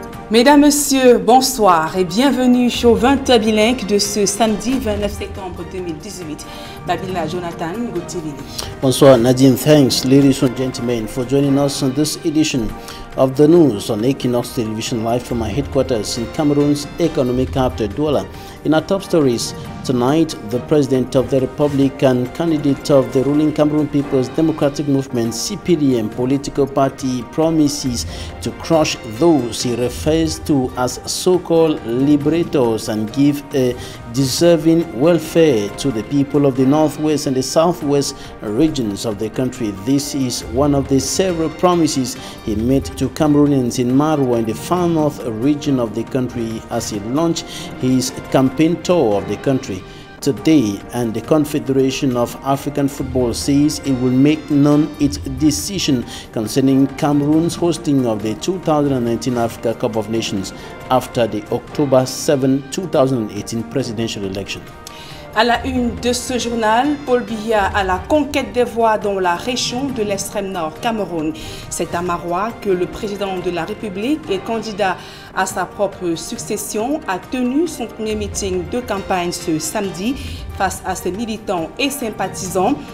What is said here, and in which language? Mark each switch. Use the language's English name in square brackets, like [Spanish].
[French] Mesdames, Messieurs, bonsoir et bienvenue au 20h bilingue de ce samedi 29 septembre 2018. Babila Jonathan Gautier-Vili. Bonsoir Nadine, [English] thanks ladies and gentlemen for joining us on this edition of the news on Equinox Television live from my headquarters in Cameroon's economic capital, Douala. In our top stories tonight, the President of the Republic and candidate of the ruling Cameroon People's Democratic Movement, CPDM, political party promises to crush those he refers to as so-called liberators and give a deserving welfare to the people of the northwest and the southwest regions of the country. This is one of the several promises he made to Cameroonians in Marwa in the far north region of the country as he launched his campaign tour of the country today, and the Confederation of African Football says it will make known its decision concerning Cameroon's hosting of the 2019 Africa Cup of Nations after the October 7, 2018 presidential election. [French] À la une de ce journal, Paul Biya à la conquête des voix dans la région de l'extrême nord Cameroun. C'est à Marwa que le président de la République et candidat à sa propre succession a tenu son premier meeting de campagne ce samedi face à ses militants et sympathisants.